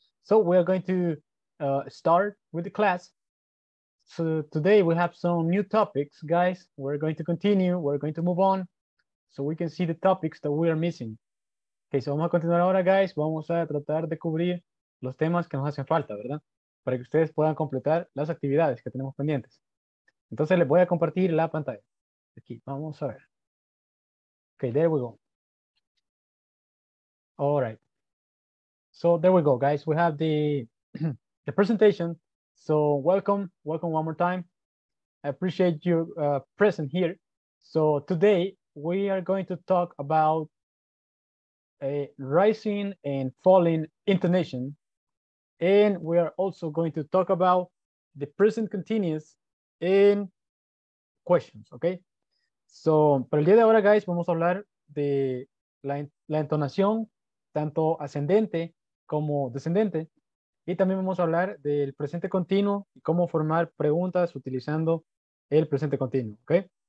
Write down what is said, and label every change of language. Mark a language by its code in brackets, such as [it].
[en] So we are going to start with the class. So today we have some new topics, guys. We're going to continue. We're going to move on so we can see the topics that we are missing. [es] Okay, so vamos a continuar ahora, guys. Vamos a tratar de cubrir los temas que nos hacen falta, ¿verdad? Para que ustedes puedan completar las actividades que tenemos pendientes. Entonces les voy a compartir la pantalla. Aquí, vamos a ver. [en] Okay, there we go. All right. So there we go, guys. We have the presentation. So welcome. Welcome one more time. I appreciate your presence here. So today we are going to talk about a rising and falling intonation. And we are also going to talk about the present continuous in questions, okay? [es] So, para el día de ahora, guys, vamos a hablar de la entonación, tanto ascendente como descendente, y también vamos a hablar del presente continuo y cómo formar preguntas utilizando el presente continuo, okay?